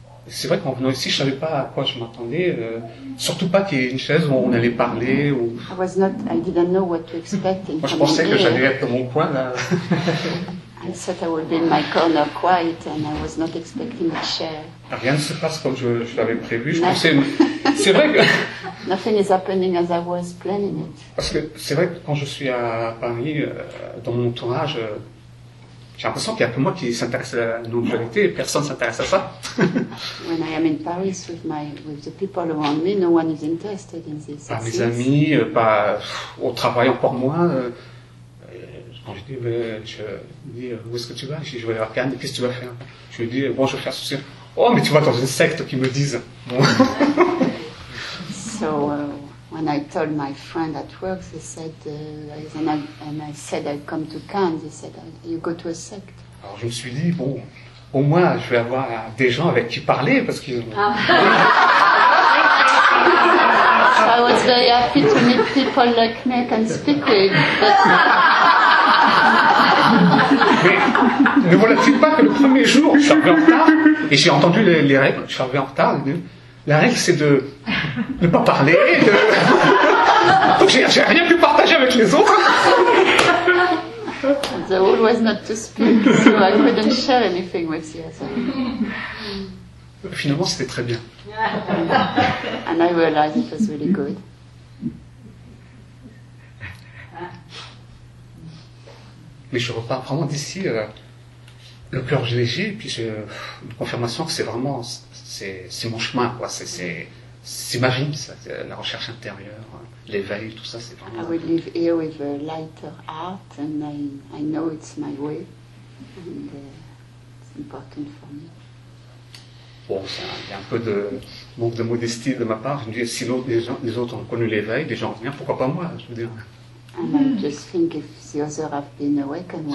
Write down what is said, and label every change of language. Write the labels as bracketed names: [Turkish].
[French] C'est vrai qu'en venant ici, je ne savais pas à quoi je m'attendais. Surtout pas qu'il y ait une chaise où on allait parler. Ou... [English] I didn't know what to expect. [French] Moi, je pensais que j'allais être dans mon coin là. [English] I thought I would be in my corner quiet and I was not expecting a chair. [French] Rien ne se passe comme je l'avais prévu. Je pensais. C'est vrai que. [English] Nothing is happening as I was planning it. [French] Parce que c'est vrai que quand je suis à Paris, dans mon entourage, j'ai l'impression qu'il n'y a que moi qui s'intéresse à nos actualités et personne ne s'intéresse à ça. [English] When I am in Paris with my with the people around me, no one is interested in this. [French] Pas mes amis, pas au travail encore moins. Quand je dis, où est-ce que tu vas? Je vais à Cannes, qu'est-ce que tu vas faire? Je lui dis, bon, je vais faire ceci. Oh, mais tu vas dans une secte qui me disent. Bon. [English] So, when I told my friend at work, they said, and I said I come to Cannes, they said, you go to a sect. [French] Alors, je me suis dit, bon, au moins, je vais avoir des gens avec qui parler, parce qu'ils ont... [English] So I was very happy to meet people like me and speak with. [French] Mais ne voilà-t-il pas que le premier jour, je suis arrivé en retard, et j'ai entendu les règles, je suis arrivé en retard, la règle c'est de ne pas parler, de... Donc j'ai rien pu partager avec les autres. [English] The rule was not to speak, so I couldn't share anything with the other. [French] Finalement, c'était très bien. [English] And I realized it was really good. [French] Mais je repars vraiment d'ici le cœur léger, puis une confirmation que c'est vraiment c'est mon chemin, quoi. C'est ma vie, ça, la recherche intérieure, l'éveil, tout ça, c'est vraiment. [English] I will live here with a lighter heart, and I know it's my way, and it's important for me. [French] Bon, il y a un peu de manque de modestie de ma part. Je me dis, si les autres ont connu l'éveil, des gens viennent, pourquoi pas moi, je veux dire. [English] And I just think if the others have been awakened, why not?